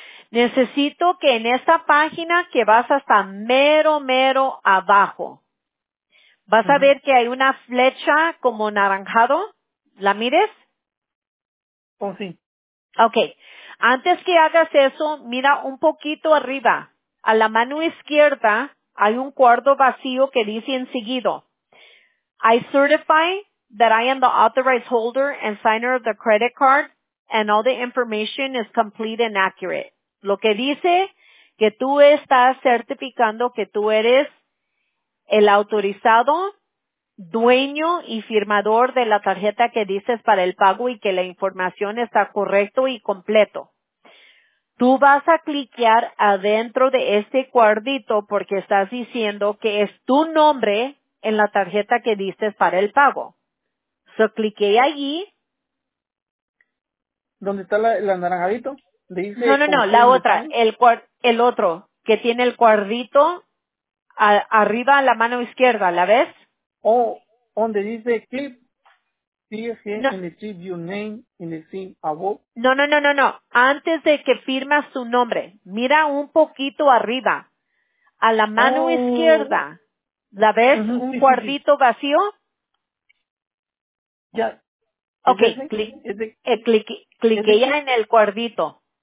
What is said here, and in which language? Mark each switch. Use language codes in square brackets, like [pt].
[es] Necesito que en esta página que vas hasta mero, mero abajo, vas a ver que hay una flecha como naranjado. ¿La mires? Oh, sí. Okay. Antes que hagas eso, mira un poquito arriba. A la mano izquierda hay un cuarto vacío que dice enseguido. [en] I certify that I am the authorized holder and signer of the credit card and all the information is complete and accurate. [es] Lo que dice que tú estás certificando que tú eres el autorizado dueño y firmador de la tarjeta que dices para el pago y que la información está correcto y completo. Tú vas a cliquear adentro de este cuadrito porque estás diciendo que es tu nombre en la tarjeta que dices para el pago. So, cliqué allí. ¿Dónde está la naranjadito? Dice, no, la otra, el otro, que tiene el cuadrito arriba a la mano izquierda, ¿la ves? [en] Oh, [es] donde dice [en] clip, and receive your name in the scene above. [es] No. Antes de que firmas tu nombre, mira un poquito arriba, a la mano izquierda, ¿la ves? Un cuadrito vacío. Ya. Ok, cliqué ya en el cuadrito.